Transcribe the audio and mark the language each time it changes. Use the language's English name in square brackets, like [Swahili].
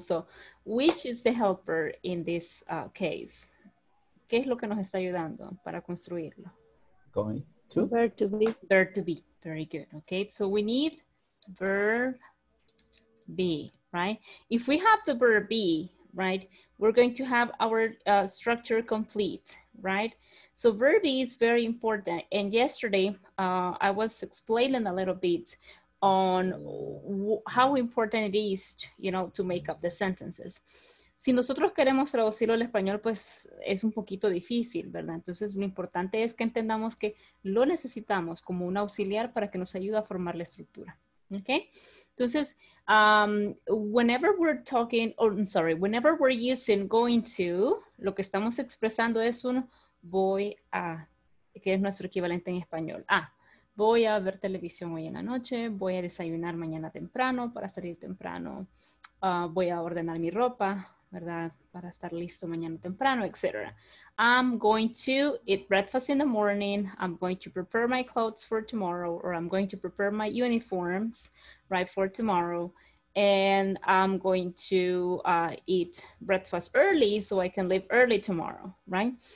[English] So, which is the helper in this case? [Spanish] ¿Qué es lo que nos está ayudando para construirlo? [English] Going. Verb to be. Very good. Okay, so we need verb be, right? If we have the verb be, right, we're going to have our structure complete, right? So verb is very important. And yesterday, I was explaining a little bit on how important it is, you know, to make up the sentences. [Spanish] Si nosotros queremos traducirlo al español, pues es un poquito difícil, ¿verdad? Entonces lo importante es que entendamos que lo necesitamos como un auxiliar para que nos ayude a formar la estructura. Okay, entonces, [English] whenever we're talking, or I'm sorry, whenever we're using going to, [Spanish] lo que estamos expresando es un voy a, que es nuestro equivalente en español. Ah, voy a ver televisión hoy en la noche, voy a desayunar mañana temprano para salir temprano, voy a ordenar mi ropa, ¿verdad? Para estar listo mañana temprano, etc. [English] I'm going to eat breakfast in the morning. I'm going to prepare my clothes for tomorrow, or I'm going to prepare my uniforms right for tomorrow. And I'm going to eat breakfast early so I can leave early tomorrow, right?